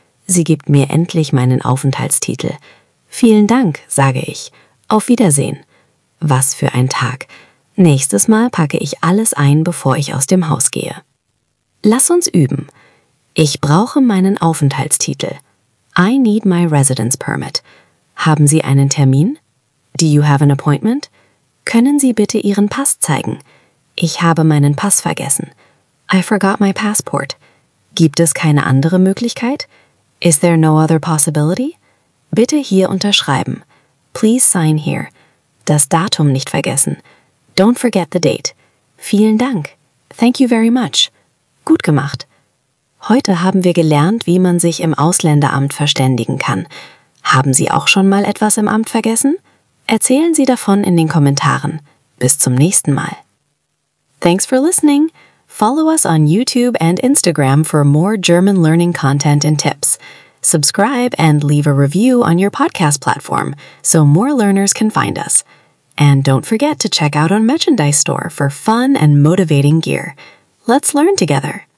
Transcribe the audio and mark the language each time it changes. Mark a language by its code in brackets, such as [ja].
[de] Sie gibt mir endlich meinen Aufenthaltstitel. Vielen Dank, sage ich. Auf Wiedersehen. Was für ein Tag. Nächstes Mal packe ich alles ein, bevor ich aus dem Haus gehe. Lass uns üben. Ich brauche meinen Aufenthaltstitel. [en] I need my residence permit. [de] Haben Sie einen Termin? [en] Do you have an appointment? [de] Können Sie bitte Ihren Pass zeigen? Ich habe meinen Pass vergessen. [en] I forgot my passport. [de] Gibt es keine andere Möglichkeit? [en] Is there no other possibility? [de] Bitte hier unterschreiben. [en] Please sign here. [de] Das Datum nicht vergessen. [en] Don't forget the date. [de] Vielen Dank. [en] Thank you very much. [de] Gut gemacht. Heute haben wir gelernt, wie man sich im Ausländeramt verständigen kann. Haben Sie auch schon mal etwas im Amt vergessen? Erzählen Sie davon in den Kommentaren. Bis zum nächsten Mal. [en] Thanks for listening. Follow us on YouTube and Instagram for more German learning content and tips. Subscribe and leave a review on your podcast platform so more learners can find us. And don't forget to check out our merchandise store for fun and motivating gear. Let's learn together.